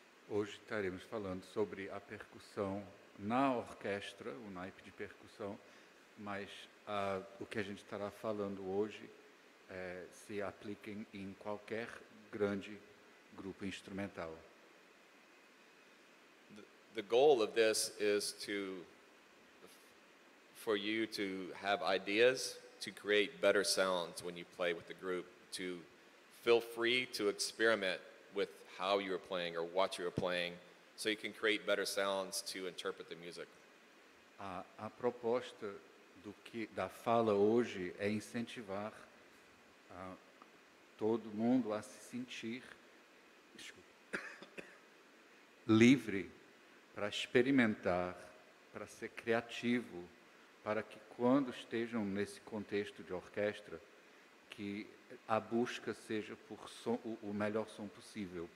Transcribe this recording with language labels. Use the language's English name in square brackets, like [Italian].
[Portuguese] Hoje estaremos falando sobre a percussão na orquestra, o naipe de percussão, mas o que a gente estará falando hoje se aplica em qualquer grande grupo instrumental. [English] The goal of this is to for you to have ideas to create better sounds when you play with the group, to feel free to experiment with how you are playing or what you are playing, so you can create better sounds to interpret the music. [Portuguese] A proposta do que da fala hoje é incentivar todo mundo a se sentir livre para experimentar, para ser criativo, para que quando estejam nesse contexto de orquestra, que a busca seja por som, o melhor som possível.